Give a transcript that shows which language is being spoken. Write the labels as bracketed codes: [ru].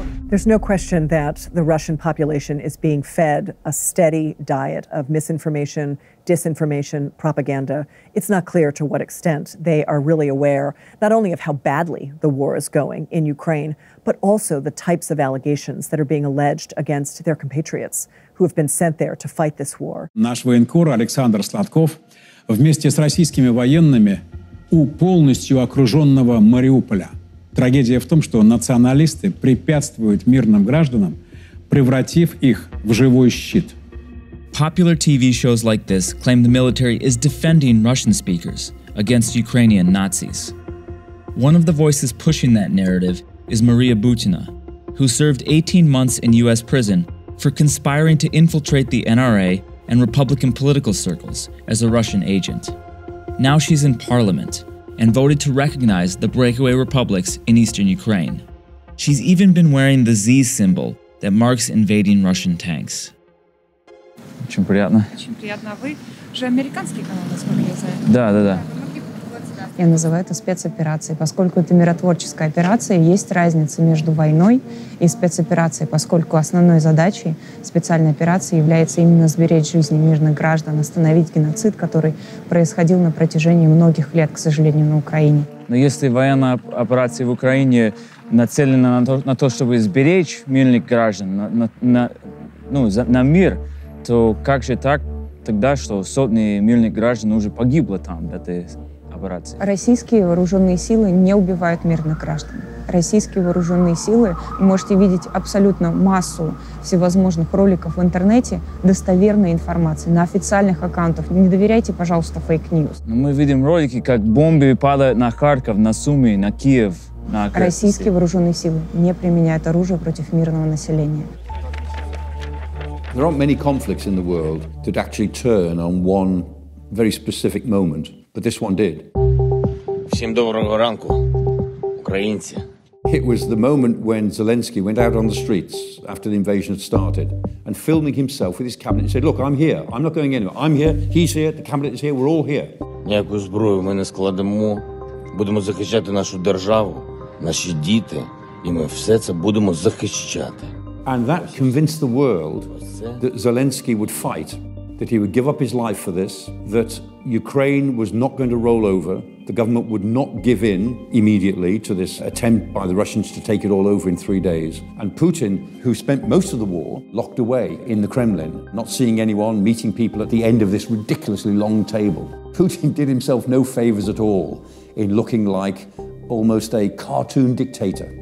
[en] There's no question that the Russian population is being fed a steady diet of misinformation, disinformation, propaganda. It's not clear to what extent they are really aware not only of how badly the war is going in Ukraine, but also the types of allegations that are being alleged against their compatriots who have been sent there to fight this war. [ru] Наш военкор Александр Сладков вместе с российскими военными у полностью окруженного Мариуполя. Трагедия в том, что националисты препятствуют мирным гражданам, превратив их в живой щит. [en] Popular TV shows like this claim the military is defending Russian speakers against Ukrainian Nazis. One of the voices pushing that narrative is Maria Butina, who served 18 months in US prison for conspiring to infiltrate the NRA and Republican political circles as a Russian agent. Now she's in parliament and voted to recognize the breakaway republics in eastern Ukraine. She's even been wearing the Z symbol that marks invading Russian tanks. [ru] Очень приятно. Очень приятно. А вы же американский канал, насколько я знаю. Да, да, да. Я называю это спецоперацией, поскольку это миротворческая операция. Есть разница между войной и спецоперацией, поскольку основной задачей специальной операции является именно сберечь жизни мирных граждан, остановить геноцид, который происходил на протяжении многих лет, к сожалению, на Украине. Но если военная операция в Украине нацелена на то, чтобы сберечь мирных граждан, на мир, то как же так тогда, что сотни мирных граждан уже погибло там, в этой операции? Российские вооруженные силы не убивают мирных граждан. Российские вооруженные силы, вы можете видеть абсолютно массу всевозможных роликов в интернете, достоверной информации на официальных аккаунтах. Не доверяйте, пожалуйста, фейк-ньюс. Но мы видим ролики, как бомбы падают на Харьков, на Суми, на Киев. Российские вооруженные силы не применяют оружие против мирного населения. [en] There aren't many conflicts in the world that actually turn on one very specific moment, but this one did. [uk] Всім доброго ранку, українці. [en] It was the moment when Zelensky went out on the streets after the invasion had started and filming himself with his cabinet and said, look, I'm here, I'm not going anywhere. I'm here, he's here, the cabinet is here, we're all here. [uk] Ніяку зброю ми не складемо, будемо захищати нашу державу, наші діти, і ми все це будемо захищати. [en] And that convinced the world that Zelensky would fight, that he would give up his life for this, that Ukraine was not going to roll over, the government would not give in immediately to this attempt by the Russians to take it all over in 3 days. And Putin, who spent most of the war locked away in the Kremlin, not seeing anyone, meeting people at the end of this ridiculously long table, Putin did himself no favors at all in looking like almost a cartoon dictator.